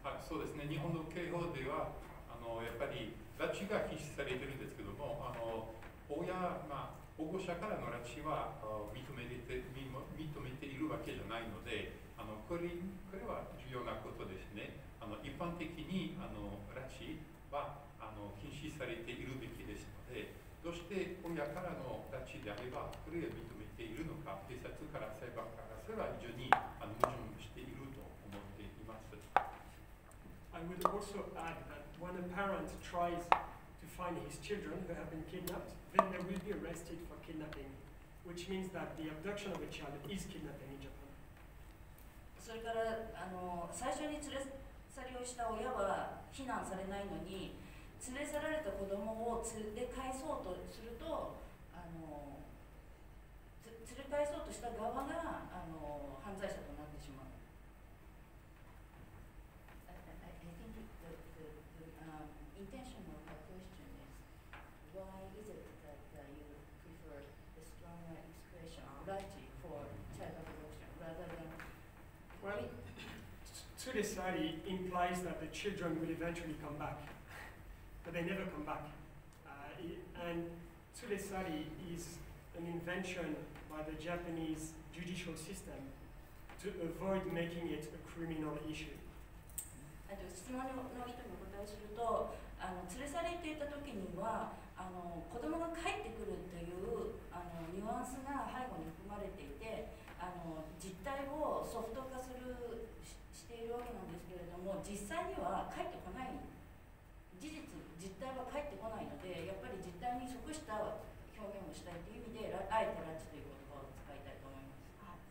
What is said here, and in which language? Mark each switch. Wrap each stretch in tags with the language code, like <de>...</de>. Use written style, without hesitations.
<ja>そうですね、日本の刑法ではやっぱり拉致が禁止されているんですけども、親、保護者からの拉致は認めているわけじゃないので、これは重要なことですね。一般的に拉致は禁止されているべきですので、どうして親からの拉致であればこれを認めているのか、警察から裁判からすれば非常に矛盾していると思っています。</ja> <en>I would also add that when a parent tries to find his children who have been kidnapped, then they will be arrested for kidnapping, which means that the abduction of a child is kidnapping in Japan.</en> <ja>それから最初に連れ去りをした親は非難されないのに、連れ去られた子供を連れ返そうとすると連れ返そうとした側が犯罪者となってしまう。</ja> <en>Intention of the question is, why is it that you prefer the stronger expression "rachi" for child abduction rather than? Well, tsuresari implies that the children will eventually come back, but they never come back. And tsuresari is an invention by the Japanese judicial system to avoid making it a criminal issue.</en> <ja>質問の人にお答えすると、連れ去れていた時には子供が帰ってくるというニュアンスが背後に含まれていて、実態をソフト化するしているわけなんですけれども、実際には帰ってこない、事実実態は帰ってこないので、やっぱり実態に即した表現をしたいという意味で、あえて拉致という言葉を使いたいと思います。</ja>